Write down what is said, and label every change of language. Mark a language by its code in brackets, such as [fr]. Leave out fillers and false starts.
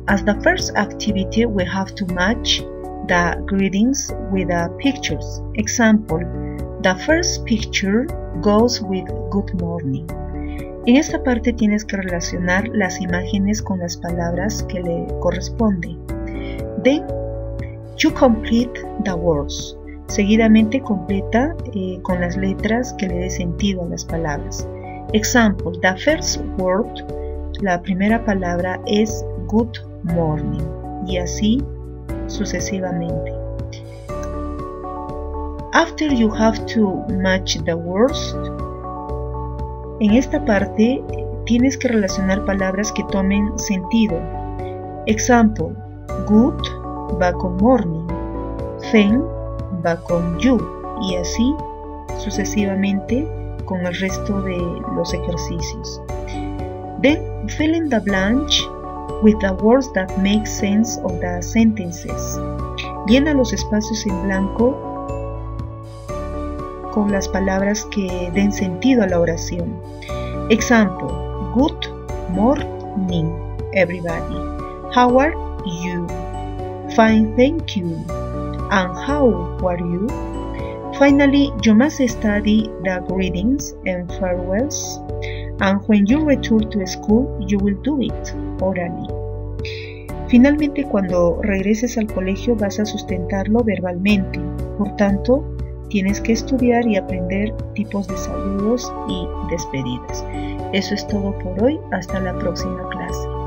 [en] As the first activity, we have to match the greetings with the pictures. Example, the first picture goes with good morning. [es] En esta parte tienes que relacionar las imágenes con las palabras que le corresponden. [en] Then, you complete the words. [es] Seguidamente completa con las letras que le dé sentido a las palabras. [en] Example, the first word, [es] la primera palabra es good morning, y así sucesivamente. [en] After you have to match the words, [es] en esta parte tienes que relacionar palabras que tomen sentido. Example, good va con morning, thing va con you, y así sucesivamente con el resto de los ejercicios. [en] Then, fill in the blank with the words that make sense of the sentences. [es] Llena los espacios en blanco con las palabras que den sentido a la oración. [en] Example, good morning, everybody. How are you? Fine, thank you. And how are you? Finally, you must study the greetings and farewells, and when you return to school, you will do it orally. [es] Finalmente, cuando regreses al colegio, vas a sustentarlo verbalmente. Por tanto, tienes que estudiar y aprender tipos de saludos y despedidas. Eso es todo por hoy. Hasta la próxima clase.